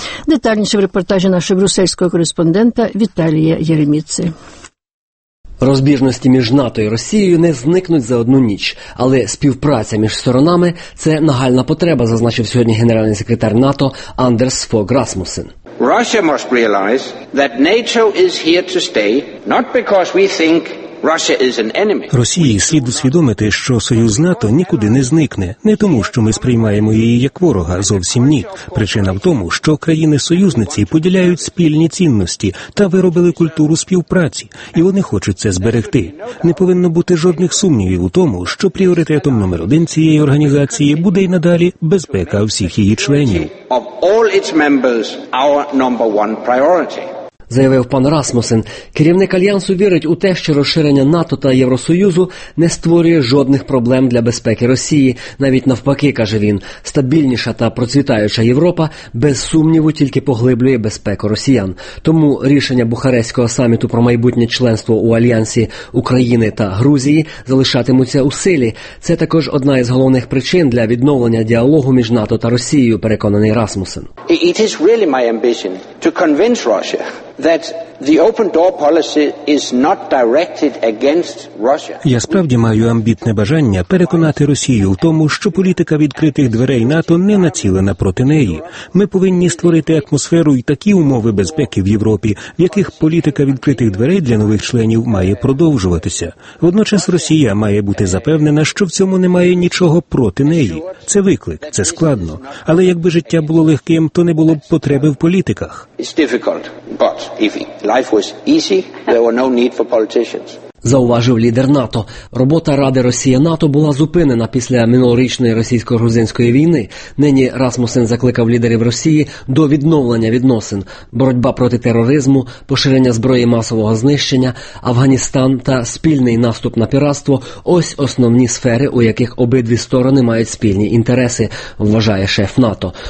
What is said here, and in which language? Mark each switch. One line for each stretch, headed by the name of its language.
Ukrainian: Детальніше в репортажі нашого брюссельського кореспондента Віталія Єреміці. Розбіжності між НАТО і Росією не зникнуть за одну ніч, але співпраця між сторонами – це нагальна потреба, зазначив сьогодні генеральний секретар НАТО Андерс Фог Расмусен.
English: Russia must realize that NATO is here to stay, not because we think Russia is an enemy.
Ukrainian: Росії слід усвідомити, що Союз НАТО нікуди не зникне. Не тому, що ми сприймаємо її як ворога, зовсім ні. Причина в тому, що країни-союзниці поділяють спільні цінності та виробили культуру співпраці, і вони хочуть це зберегти. Не повинно бути жодних сумнівів у тому, що пріоритетом номер один цієї організації буде й надалі безпека всіх її членів.
English: Of all its members, our number one priority.
Ukrainian: Заявив пан Расмусен, керівник Альянсу вірить у те, що розширення НАТО та Євросоюзу не створює жодних проблем для безпеки Росії. Навіть навпаки, каже він, стабільніша та процвітаюча Європа без сумніву тільки поглиблює безпеку росіян. Тому рішення Бухарестського саміту про майбутнє членство у Альянсі України та Грузії залишатимуться у силі. Це також одна із головних причин для відновлення діалогу між НАТО та Росією, переконаний Расмусен.
English: It is really my ambition to convince Russia that the open door policy is not directed against Russia.
Ukrainian: Я справді маю амбітне бажання переконати Росію в тому, що політика відкритих дверей НАТО не націлена проти неї. Ми повинні створити атмосферу і такі умови безпеки в Європі, в яких політика відкритих дверей для нових членів має продовжуватися. Водночас Росія має бути запевнена, що в цьому немає нічого проти неї. Це виклик, це складно. Але якби життя було легким, то не було б потреби в політиках.
English: It's difficult, but if life was easy, there were no need for politicians.
Ukrainian: Зауважив лідер НАТО. Робота Ради Росія-НАТО була зупинена після минулорічної російсько-грузинської війни. Нині Расмусен закликав лідерів Росії до відновлення відносин. Боротьба проти тероризму, поширення зброї масового знищення, Афганістан та спільний наступ на піратство – ось основні сфери, у яких обидві сторони мають спільні інтереси, вважає шеф НАТО.